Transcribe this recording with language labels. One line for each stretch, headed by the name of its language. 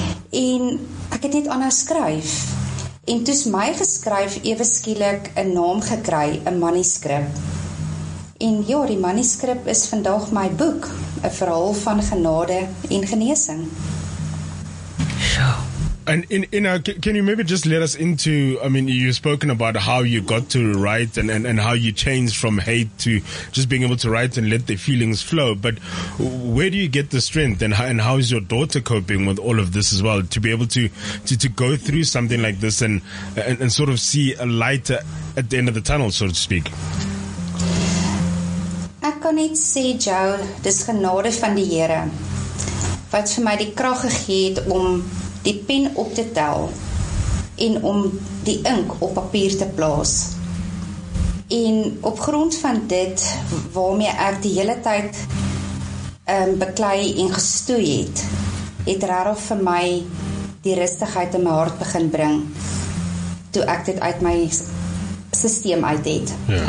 Afrikaans: En ek het net anders skryf. En toes my geskryf ewe skielik 'n naam gekry, 'n manuskrip. En ja, die manuskrip is vandag my boek, 'n verhaal van genade en genesing. Ja.
English: And in can you maybe just let us into, I mean, you've spoken about how you got to write and how you changed from hate to just being able to write and let the feelings flow. But where do you get the strength and how is your daughter coping with all of this as well, to be able to go through something like this and sort of see a light at the end of the tunnel, so to speak?
Afrikaans: Ek kan net sê, Joe, dis genade van die Here wat vir my die krag gegee het om die pen op te tel en om die ink op papier te plaas. En op grond van dit waarmee ek die hele tyd beklei en gestoei het, het regtig vir my die rustigheid in my hart begin bring toe ek dit uit my systeem uit het. Ja.